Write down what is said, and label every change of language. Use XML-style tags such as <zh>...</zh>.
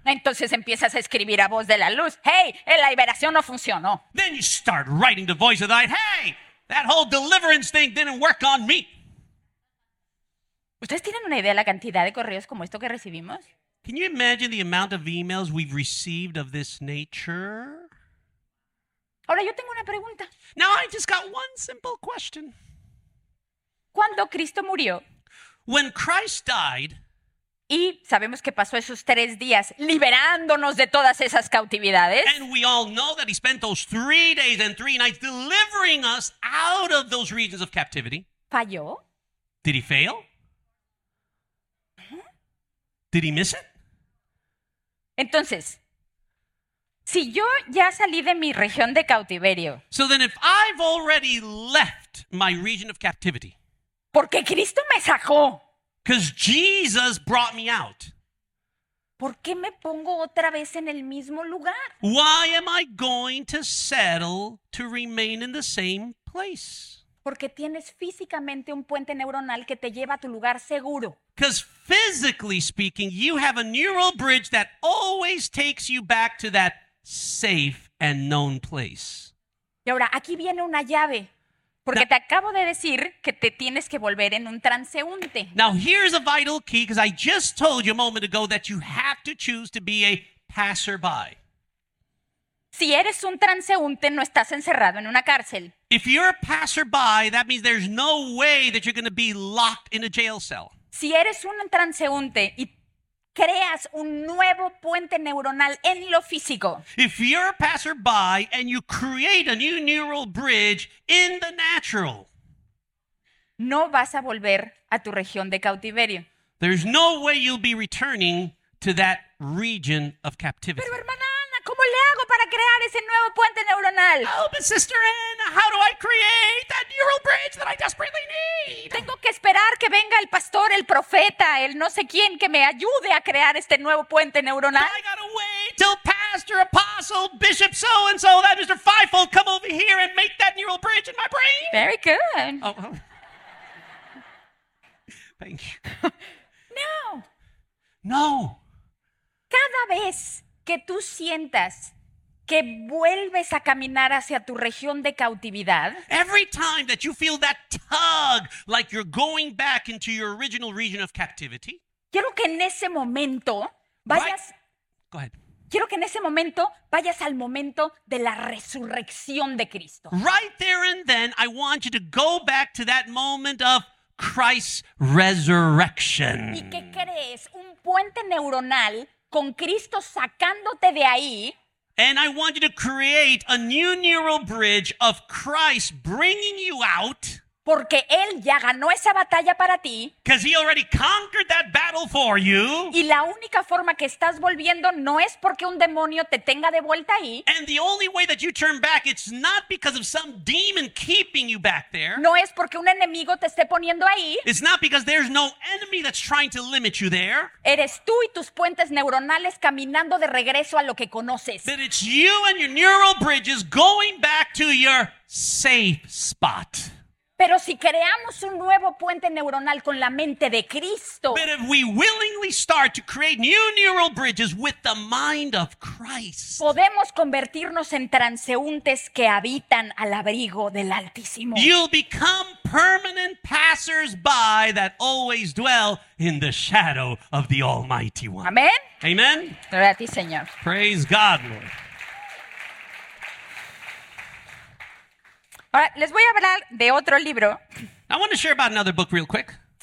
<es>Entonces empiezas a escribir a voz de la luz, hey, la liberación no funcionó.</es> <en>Then you start writing the voice of the light, hey, that whole deliverance thing didn't work on me.</en> <es>¿Ustedes tienen una idea de la cantidad de correos como esto que recibimos?</es> <en>Can you imagine the amount of emails we've received of this nature?</en> <es>Ahora yo tengo una pregunta.</es> <en>Now I just got one simple question.</en> <es>¿Cuándo Cristo murió?</es> <en>When Christ died.</en> <es>Y sabemos que pasó esos tres días liberándonos de todas esas cautividades.</es> <en>And we all know that he spent those 3 days and three nights delivering us out of those regions of captivity.</en> <es>¿Falló?</es> <en>Did he fail? Did he miss it?</en> <es>Entonces, si yo ya salí de mi región de cautiverio.</es> <en>So then if I've already left my region of captivity.</en> <es>Porque Cristo me sacó.</es> <en>Because Jesus brought me out.</en> <es>¿Por qué me pongo otra vez en el mismo lugar?</es> <en>Why am I going to settle to remain in the same place?</en> <es>Porque tienes físicamente un puente neuronal que te lleva a tu lugar seguro.</es> <en>Because physically speaking, you have a neural bridge that always takes you back to that safe and known place.</en> <es>Y ahora, aquí viene una llave. Porque now, te acabo de decir que te tienes que volver en un transeúnte.</es> <en>Now, here's a vital key, because I just told you a moment ago that you have to choose to be a passerby.</en> <es>Si eres un transeúnte, no estás encerrado en una cárcel.</es> <en>If you're a passerby, that means there's no way that you're going to be locked in a jail cell.</en> <es>Si eres un transeúnte y creas un nuevo puente neuronal en lo físico.</es> <en>If you're a passerby and you create a new neural bridge in the natural,</en> <es>no vas a volver a tu región de cautiverio.</es> <en>There's no way you'll be returning to that region of captivity.</en> <es>Pero hermana Ana, ¿cómo le hago para crear ese nuevo puente neuronal?</es> <en>Oh, but sister Ana, how do I create that neural bridge that I desperately need?</en> <es>Tengo que esperar que venga el pastor, el profeta, el no sé quién, que me ayude a crear este nuevo puente neuronal.</es> <en>I gotta wait till pastor, apostle, bishop so-and-so, that Mr. Fivefold come over here and make that neural bridge in my brain. Very good. Oh, thank you. No. No.</en> <es>Cada vez que tú sientas que vuelves a caminar hacia tu región de cautividad,</es> <en>every time that you feel that tug, like you're going back into your original region of captivity,</en> <es>quiero que en ese momento vayas.</es> <en>Right. Go ahead.</en> <es>Quiero que en ese momento vayas al momento de la resurrección de Cristo.</es> <en>Right there and then, I want you to go back to that moment of Christ's resurrection.</en> <es>¿Y qué crees? Un puente neuronal con Cristo sacándote de ahí.</es> <en>And I want you to create a new neural bridge of Christ bringing you out.</en> <es>Porque Él ya ganó esa batalla para ti.</es> <en>Because He already conquered that battle for you.</en> <es>Y la única forma que estás volviendo no es porque un demonio te tenga de vuelta ahí.</es> <en>And the only way that you turn back, it's not because of some demon keeping you back there.</en> <es>No es porque un enemigo te esté poniendo ahí.</es> <en>It's not because there's no enemy that's trying to limit you there.</en> <es>Eres tú y tus puentes neuronales caminando de regreso a lo que conoces.</es> <en>But it's you and your neural bridges going back to your safe spot.</en> <es>Pero si creamos un nuevo puente neuronal con la mente de Cristo.</es> <en>But if we willingly start to create new neural bridges with the mind of Christ.</en> <es>Podemos convertirnos en transeúntes que habitan al abrigo del Altísimo.</es> <en>You'll become permanent passers-by that always dwell in the shadow of the Almighty One.</en> <es>Amén.</es> <en>Amen.</en> <es>Gloria a ti, Señor.</es> <en>Praise God, Lord.</en> <es>Ahora, les voy a hablar de otro libro.</es> <en>I want to share about another book real quick.</en>